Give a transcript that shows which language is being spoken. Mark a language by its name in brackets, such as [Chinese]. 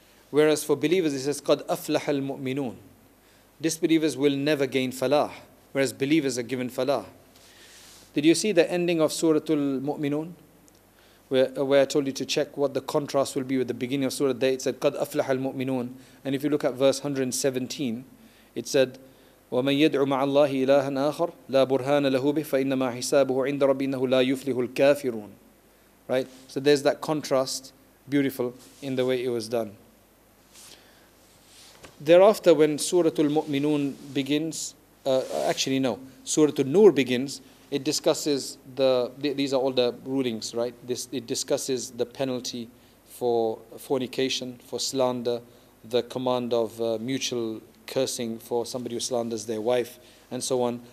[English] Whereas for believers it says [Arabic] قَدْ أَفْلَحَ الْمُؤْمِنُونَ. [English] Disbelievers will never gain falah, whereas believers are given falah. Did you see the ending of Surah Al-Mu'minun? Where I told you to check what the contrast will be with the beginning of Surah Day, it said [Arabic] قَدْ أَفْلَحَ الْمُؤْمِنُونَ. [English] And if you look at verse 117, it said [Arabic] وَمَنْ يَدْعُ مَعَ اللَّهِ إِلَٰهًا آخَرَ لَا بُرْهَانَ لَهُ بِهِ فَإِنَّمَا حِسَابُهُ عِنْدَ رَبِّ إِنَّهُ لَا يُفْلِهُ الْكَافِرُونَ. [English] Right? So there's that contrast, beautiful, in the way it was done. Thereafter, when Surah Al-Mu'minun begins, Surah Al-Nur begins, it discusses these are all the rulings, right? It discusses the penalty for fornication, for slander, the command of mutual cursing for somebody who slanders their wife, and so on.